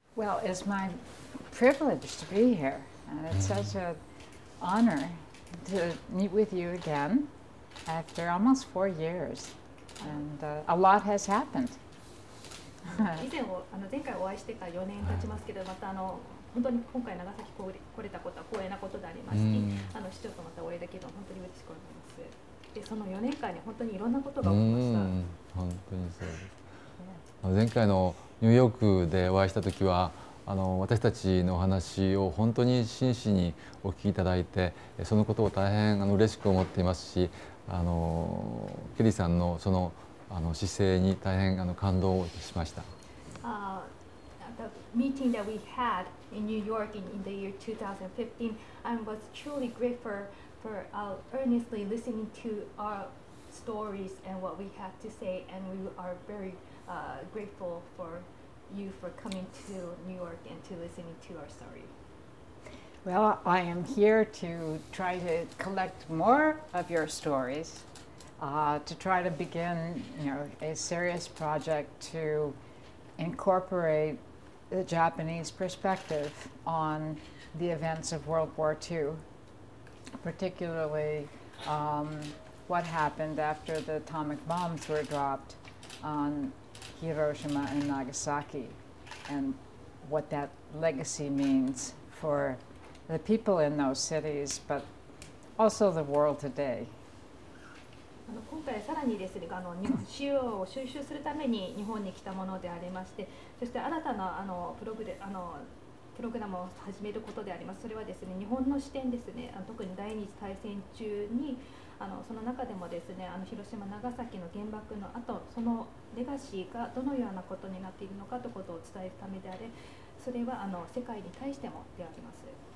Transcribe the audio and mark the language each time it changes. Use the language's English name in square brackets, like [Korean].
[English] Well, it's my privilege to be here, and it's such an honor to meet with you again after almost 4 years, and a lot has happened. [Japanese] 以前を前回お会いしてから4年経ちますけど、また本当に今回長崎来れたことは光栄なことでありますし、市長とまたお会いできるのは本当に嬉しく思います。で、その4年間に本当にいろんなことが起きました。本当にそうです。前回のニューヨークでお会いした時は私たちのお話を本当に真摯にお聞きいただいて、そのことを大変嬉しく思っていますし、ケリーさんのその姿勢に大変感動をしました。 [English] The meeting that we had in New York in the year 2015, I was truly grateful for earnestly listening to our stories and what we had to say, and we are very grateful for you for coming to New York and to listening to our story. Well, I am here to try to collect more of your stories, to try to begin, a serious project to incorporate the Japanese perspective on the events of World War II, particularly what happened after the atomic bombs were dropped on Hiroshima and Nagasaki, and what that legacy means for the people in those cities, but also the world today. [Japanese] 今回さらにですね、資料を収集するために日本に来たものでありまして、そして新たなプログラムを始めることであります。それはですね、日本の視点ですね、特に第二次大戦中に、その中でもですね、広島長崎の原爆の後、そのレガシーがどのようなことになっているのかということを伝えるためであれ、それは世界に対してもであります。